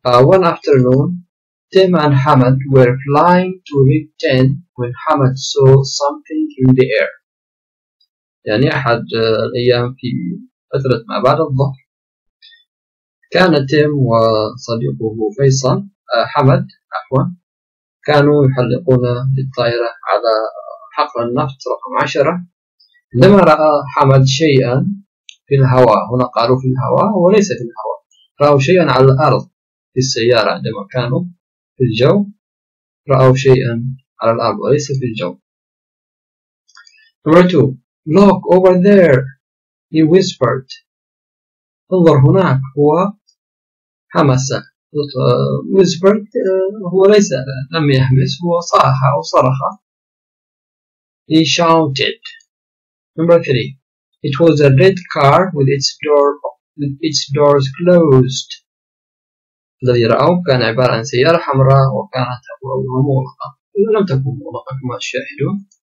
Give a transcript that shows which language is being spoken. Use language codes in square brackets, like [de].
[en] One afternoon, Tim and Hamad were flying to Mid-10 when Hamad saw something in the air. [ar] يعني أحد الأيام في فترة ما بعد الظهر كان تيم وصديقه فيصل حمد عفوا كانوا يحلقون الطائرة على حقل النفط رقم 10 عندما رأى حمد شيئا في الهواء. هنا قالوا في الهواء وليس في الهواء، رأوا شيئا على الأرض في السيارة. عندما كانوا في الجو رأوا شيئا على الأرض وليس في الجو. [en] Number two. Look over there, he whispered. [ar] انظر هناك، هو همس. Whispered هو ليس لم يهمس، هو صاح أو صرخ. [en] He shouted. Number three. It was a red car with its door closed. [ar] الذي رأوه كان عبارة عن سيارة حمراء وكانت أبوابها مغلقة، لم تكن مغلقة كما تشاهدون.